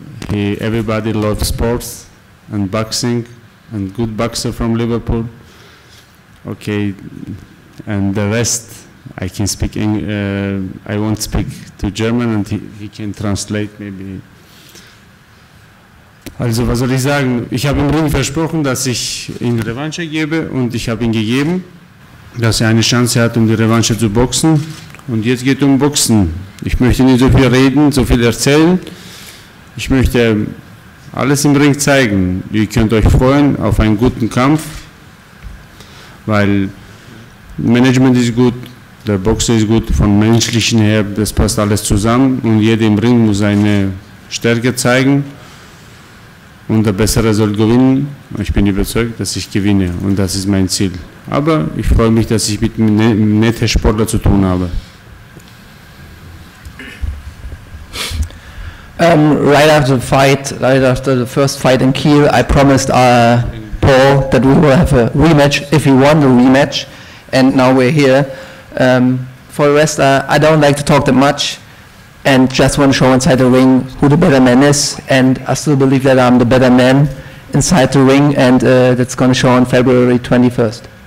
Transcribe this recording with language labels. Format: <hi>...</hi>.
<en>Everybody loves sports and boxing, and good boxer from Liverpool. Okay, and the rest, I can speak, I won't speak to German, and he can translate maybe.</en> <de>Also, was soll ich sagen? Ich habe ihm versprochen, dass ich ihm Revanche gebe, und ich habe ihm gegeben, dass er eine Chance hat, um die Revanche zu boxen. Und jetzt geht es um Boxen. Ich möchte nicht so viel reden, so viel erzählen. Ich möchte Alles im Ring zeigen. Ihr könnt euch freuen auf einen guten Kampf, weil Management ist gut, der Boxer ist gut, vom Menschlichen her, das passt alles zusammen und jeder im Ring muss seine Stärke zeigen und der Bessere soll gewinnen. Ich bin überzeugt, dass ich gewinne und das ist mein Ziel. Aber ich freue mich, dass ich mit netten Sportler zu tun habe.</de> <en>Right after the fight, right after the first fight in Kiel, I promised Paul that we will have a rematch if he won the rematch, and now we're here. For the rest, I don't like to talk that much, and just want to show inside the ring who the better man is, and I still believe that I'm the better man inside the ring, and that's going to show on February 21st.</en>